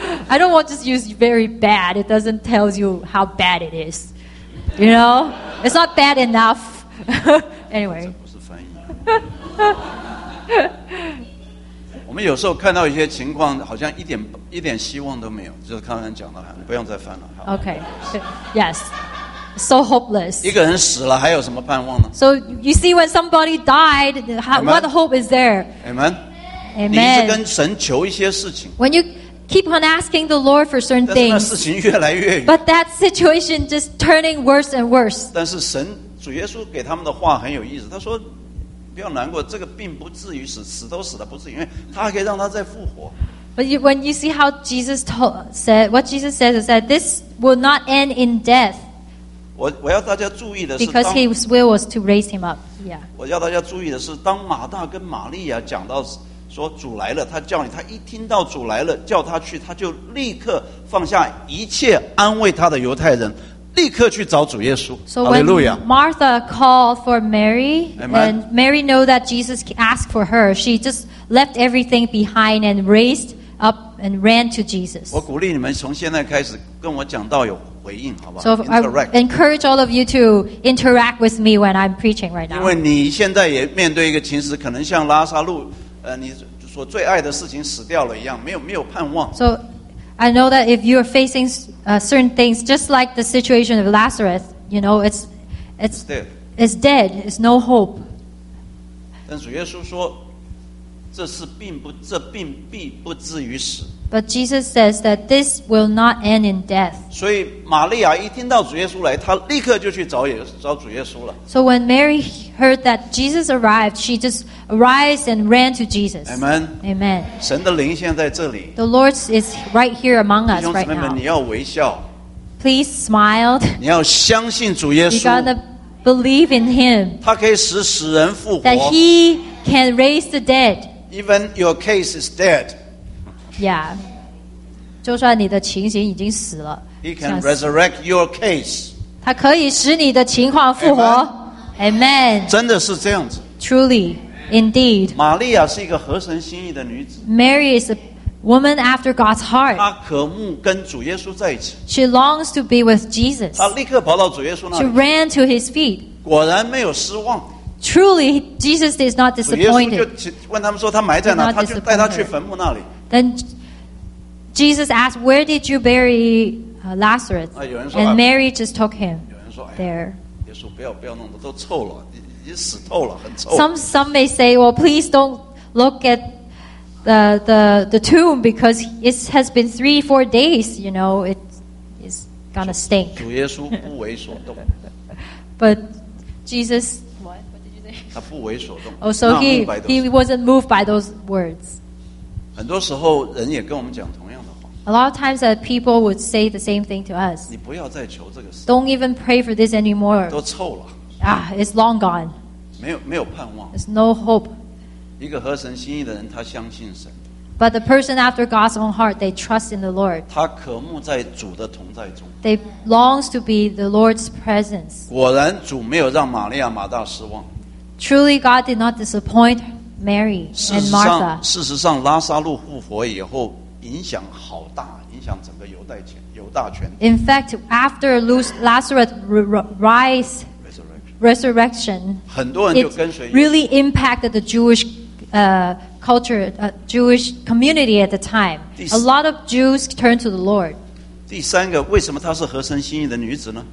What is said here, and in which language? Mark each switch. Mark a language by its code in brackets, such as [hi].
[en] I don't want to use very bad. It doesn't tell you how bad it is. You know, it's not bad enough. anyway. [zh] 我们有时候看到一些情况，好像一点希望都没有。就是刚才讲的，不用再翻了。 [en] Okay, yes, so hopeless. [zh] 一个人死了，还有什么盼望呢 [en] ？So you see, when somebody died, what hope is there? Amen. Amen. [zh] 你一直跟神求一些事情。 [en] When you keep on asking the Lord for certain things, [zh] 但是那事情越来越远。 [en] But that situation just turning worse and worse. [zh] 但是神主耶稣给他们的话很有意思，他说。不要难过，这个病不至于死，死都死了，不至于，因为他还可以让他再复活。 [en] But you, when you see how Jesus said, what Jesus says is that this will not end in death. [zh] 我要大家注意的是 [en] ，because his will was to raise him up. Yeah. [zh] 我要大家注意的是，当马大跟玛利亚讲到说主来了，他叫你，他一听到主来了叫他去，他就立刻放下一切安慰他的犹太人。立刻去找主耶稣。 [en] So when Martha called for Mary, and Mary knew that Jesus asked for her, she just left everything behind and raised up and ran to Jesus. [zh] 我鼓励你们从现在开始跟我讲道有回应，好吧 [en] ？So I encourage all of you to interact with me when I'm preaching right now. [zh] 因为你现在也面对一个情势，可能像拉撒路，你所最爱的事情死掉了一样，没有盼望。 [en] So,I know that if you are facing certain things, just like the situation of Lazarus, you know, it's dead. It's dead. It's no hope. [zh] 但主耶稣说，这并不至于死。 [en] But Jesus says that this will not end in death. [zh] 所以玛利亚一听到主耶稣来，她立刻就去找主耶稣了。 [en] So when Mary heard that Jesus arrived, she just arose and ran to Jesus. Amen. Amen. [zh] 神的灵现在这里。 [en] The Lord is right here among us right now. [zh] 弟兄姊妹们，你要微笑。 [en] Please smile. [zh] 你要相信主耶稣。 [en] You gotta believe in Him. [zh] 他可以使死人复活。 [en] That He can raise the dead. Even your case is dead. [zh] Yeah, 就算你的情形已经死了 [en] He can resurrect your case. [zh] 他可以使你的情况复活 Amen. 真的是这样子 [en] Truly, indeed. [zh] 玛利亚是一个合神心意的女子 [en] Mary is a woman after God's heart. [zh] 她渴慕跟主耶稣在一起 [en] She longs to be with Jesus. [zh] 她立刻跑到主耶稣那里 [en] She ran to his feet. [zh] 果然没有失望 [en] Truly, Jesus is not disappointed. [zh] 主耶稣就问他们说他埋在哪他就带他去坟墓那里 [en] Then Jesus asked, "Where did you bury Lazarus?" And Mary just took him there. [zh] 耶稣不要弄得都臭了，已经死透了，很臭。 [en] Some may say, "Well, please don't look at the tomb because it has been 3-4 days. You know, it's gonna stink." [zh] 主耶稣不为所动。 [en] But Jesus, what did you say? Oh, so he wasn't moved by those words. [zh] 很多时候人也跟我们讲同样的话 [en] A lot of times that people would say the same thing to us [zh] 你不要再求这个事 [en] Don't even pray for this anymore [zh] 都臭了 [en] Ah, it's long gone [zh] 没有盼望 [en] There's no hope [zh] 一个合神心意的人他相信神 [en] But the person after God's own heart they trust in the Lord [zh] 他渴慕在主的同在中 [en] They longs to be the Lord's presence [zh] 果然主没有让玛利亚马大失望 [en] Truly God did not disappoint herMary and Martha. [zh] 事实上拉撒路复活以后影响好大影响整个犹大全体 [en] In fact, after Lazarus rise resurrection, [zh] 很多人就跟随 [en] it really impacted the Jewish culture, Jewish community at the time. A lot of Jews turned to the Lord. [zh] 第三个为什么她是合神心意的女子呢